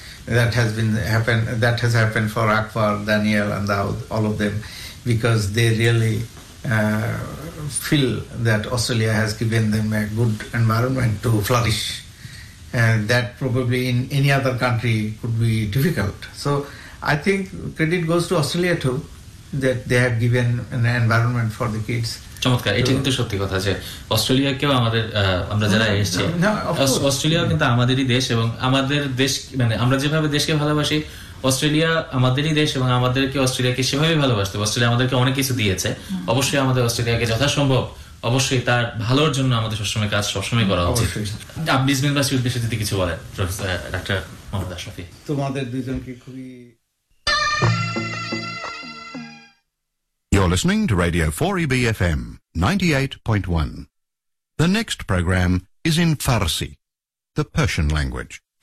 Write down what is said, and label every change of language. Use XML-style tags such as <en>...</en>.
<en>That has happened for Akbar, Daniel and Daud, all of them, because they really feel that Australia has given them a good environment to flourish, and that probably in any other country could be difficult. So I think credit goes to Australia too, that they have given an environment for the kids.</en> <bn>চমৎকার, এটা কিন্তু সত্যি কথা যে অস্ট্রেলিয়াকেও আমাদের, আমরা যারা এসেছি অস্ট্রেলিয়া কিন্তু আমাদেরই দেশ, এবং আমাদের দেশ মানে আমরা যেভাবে দেশকে ভালোবাসি অস্ট্রেলিয়া আমাদেরই দেশ, এবং আমাদেরকে অস্ট্রেলিয়াকে সেভাবেই ভালোবাসতে, অস্ট্রেলিয়া আমাদেরকে অনেক কিছু দিয়েছে, অবশ্যই আমাদের অস্ট্রেলিয়াকে যথাসম্ভব অবশ্যই তার ভালোর জন্য আমাদের সবসময় কাজ সবসময় করা উচিত। আপনি কিছু বলেন ডাক্তার মোহাম্মদ আশরাফি, তোমাদের দুজনকে খুবই।</bn> <en>You're listening to Radio 4EB FM 98.1. The next program is in Farsi, the Persian language.</en>